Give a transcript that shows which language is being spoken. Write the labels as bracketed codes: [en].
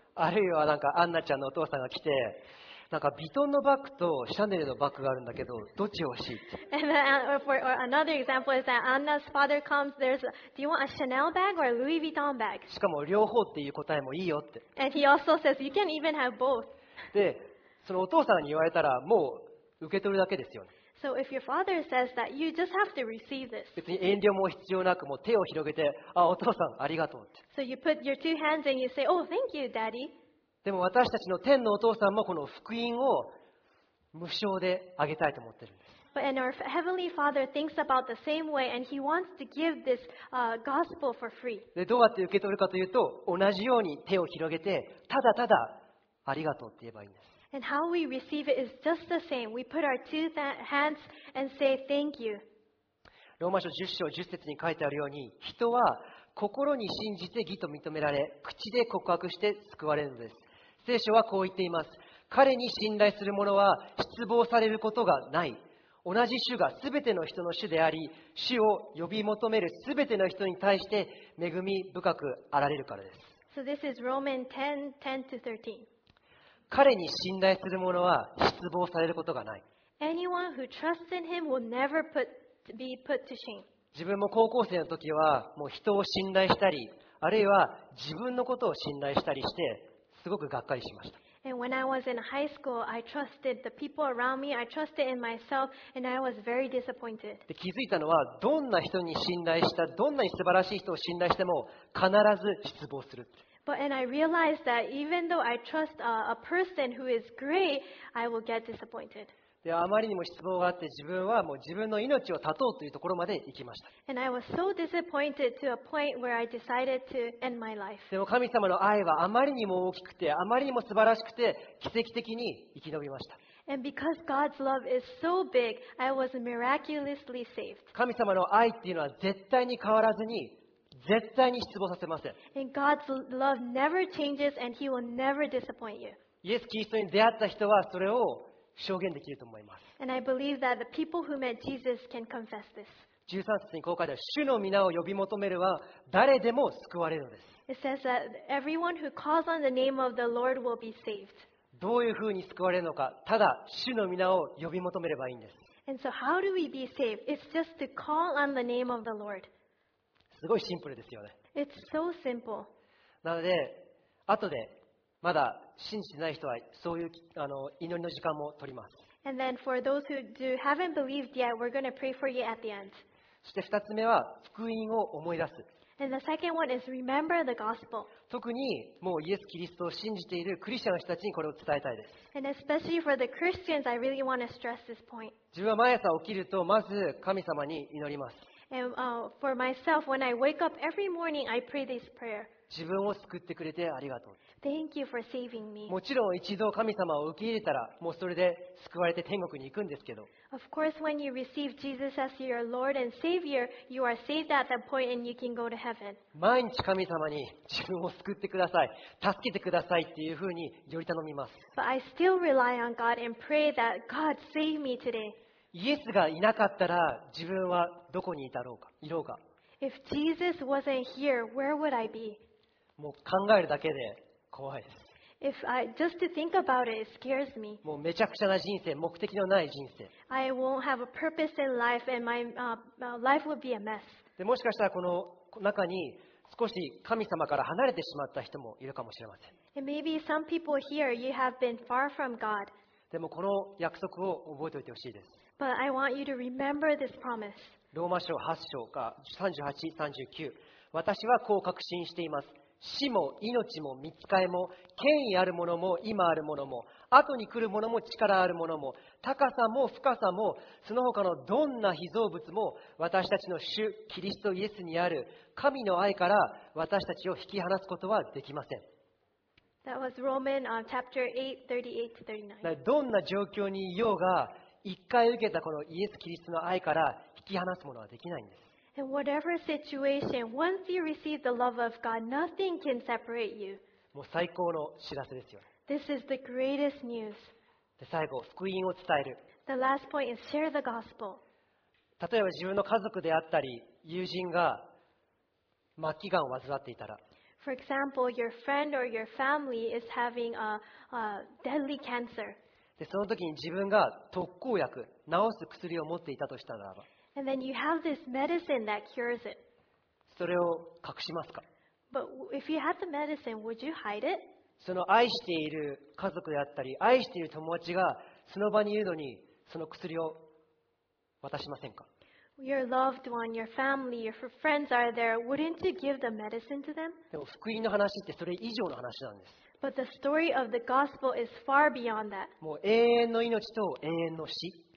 [ja] あるいはなんかアンナちゃんのお父さんが来て、なんかビトンのバッグとシャネルのバッグがあるんだけど、どっち欲しいって。 [en] And then, or another example is that Anna's father comes. There's, do you want a Chanel bag or a Louis Vuitton bag? [ja] しかも両方っていう答えもいいよって。 [en] And he also says you can even have both. [ja] で、そのお父さんに言われたらもう受け取るだけですよね。 [en] So if your father says that, you just have to receive this. [ja] 別に遠慮も必要なく、もう手を広げて、あ、お父さんありがとうって。 [en] So you put your two hands and you say, oh, thank you, daddy. [ja] でも私たちの天のお父さんもこの福音を無償であげたいと思ってるんです。 [en] But and our heavenly father thinks about the same way and he wants to give this gospel for free. [ja] で、どうやって受け取るかというと、同じように手を広げて、ただただありがとうって言えばいいんです。 [en] And how we receive it is just the same. We put our two hands and say thank you. [ja] ローマ書10章10節に書いてあるように、人は心に信じて義と認められ、口で告白して救われるのです。聖書はこう言っています。彼に信頼する者は失望されることがない。同じ主がすべての人の主であり、主を呼び求めるすべての人に対して恵み深くあられるからです。 [en] So this is Romans 10:10-13. [ja] 彼に信頼する者は失望されることがない。 [en] Anyone who trusts in him will never be put to shame. [ja] 自分も高校生の時はもう人を信頼したり、あるいは自分のことを信頼したりしてすごくがっかりしました。 [en] And when I was in high school, I trusted the people around me. I trusted in myself, and I was very disappointed. [ja] で、気づいたのは、どんな人に信頼した、どんなに素晴らしい人を信頼しても、必ず失望する。 [en] But and I realized that even though I trust a person who is great, I will get disappointed. [ja] で、あまりにも失望があって、自分はもう自分の命を絶とうというところまで行きました。 [en] And I was so disappointed to a point where I decided to end my life. [ja] でも神様の愛はあまりにも大きくて、あまりにも素晴らしくて、奇跡的に生き延びました。 [en] And because God's love is so big, I was miraculously saved. [ja] 神様の愛っていうのは絶対に変わらずに、絶対に失望させません。 [en] And God's love never changes, and He will never disappoint you. [ja] イエス・キリストに出会った人はそれを証言できると思います。 [en] And I believe that the people who met Jesus can confess this. [ja] 13節にこう書いてある、主の名を呼び求めるは誰でも救われるのです。 [en] It says that everyone who calls on the name of the Lord will be saved. [ja] どういうふうに救われるのか、ただ主の名を呼び求めればいいんです。 [en] And so how do we be saved? It's just to call on the name of the Lord. [ja] すごいシンプルですよね。 [en] It's so simple. [ja] なので、後でまだ信じてない人はそういう祈りの時間も取ります。 [en] And then for those who do haven't believed yet, we're going to pray for you at the end. [ja] そして二つ目は福音を思い出す。 [en] And the second one is remember the gospel. [ja] 特にもうイエス・キリストを信じているクリスチャンの人たちにこれを伝えたいです。 [en] And especially for the Christians, I really want to stress this point. [ja] 自分は毎朝起きるとまず神様に祈ります。 [en] And for myself, when I wake up every morning, I pray this prayer. [ja] 自分を救ってくれてありがとう。 [en] Thank you for saving me. [ja] もちろん一度神様を受け入れたらもうそれで救われて天国に行くんですけど。 [en] Of course, when you receive Jesus as your Lord and Savior, you are saved at that point and you can go to heaven. [ja] 毎日神様に自分を救ってください、助けてくださいっていうふうにより頼みます。 [en] But I still rely on God and pray that God save me today. [ja] イエスがいなかったら自分はどこにいたろうか、いろうか。 [en] If Jesus wasn't here, where would I be? [ja] もう考えるだけで怖いです。 [en] If I just to think about it, it scares me. [ja] もうめちゃくちゃな人生、目的のない人生。 [en] I won't have a purpose in life, and my life would be a mess. [ja] でもしかしたらこの中に少し神様から離れてしまった人もいるかもしれません。 [en] And maybe some people here, you have been far from God. [ja] でもこの約束を覚えておいてほしいです。 [en] But I want you to remember this promise. [ja] ローマ書8章か38-39。私はこう確信しています。死も命も御使いも権威あるものも今あるものも後に来るものも力あるものも高さも深さもその他のどんな被造物も私たちの主キリストイエスにある神の愛から私たちを引き離すことはできません。 [en] That was Romans chapter 8:38-39. [ja] どんな状況にいようが一回受けたこのイエスキリストの愛から引き離すものはできないんです。 [en] And whatever situation, once you receive the love of God, nothing can separate you. [ja] もう最高の知らせですよね。 [en] This is the greatest news. [ja] で、最後、福音を伝える。 [en] The last point is share the gospel. [ja] 例えば自分の家族であったり、友人が末期がんを患っていたら。 [en] For example, your friend or your family is having a deadly cancer. [ja] で、その時に自分が特効薬、治す薬を持っていたとしたならば。 [en] And then you have this medicine that cures it. [ja] それを隠しますか? [en] But if you had the medicine, would you hide it? [ja] その愛している家族であったり、愛している友達がその場にいるのにその薬を渡しませんか? [en] Your loved one, your family, your friends are there. Wouldn't you give the medicine to them? [ja] でも福音の話ってそれ以上の話なんです。 [en] But the story of the gospel is far beyond that. [ja] もう永遠の命と永遠の死。